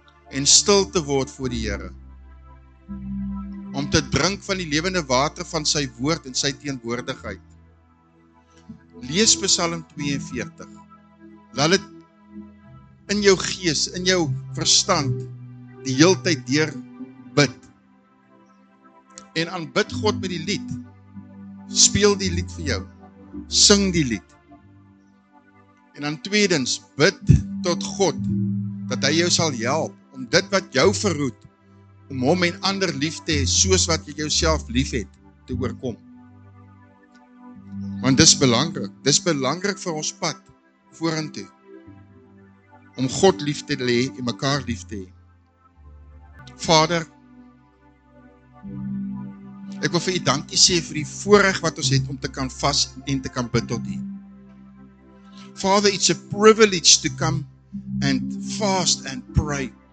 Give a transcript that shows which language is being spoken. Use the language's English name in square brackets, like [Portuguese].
[Afrikaans] En stil te word voor die Here. Om te drink van die lewende water van sy woord en sy teenwoordigheid. Lees Psalm 42. Laat dit in jou gees, in jou verstand, die heeltyd deur bid. En aanbid God met die lied. Speel die lied vir jou. Sing die lied. En dan tweedens, bid tot God, dat hy jou sal help. Om dit wat jou verroet, om hom en ander lief te hê, soos wat jy jouself lief het, te oorkom. Want dis belangrik. Dis belangrik vir ons pad, vorentoe. Om God lief te hê en mekaar lief te hê. Vader, ek wil vir u dankie sê vir die voorreg wat ons het om te kan vas en te kan bid tot u. [English] Father, it's a privilege to come and fast and pray.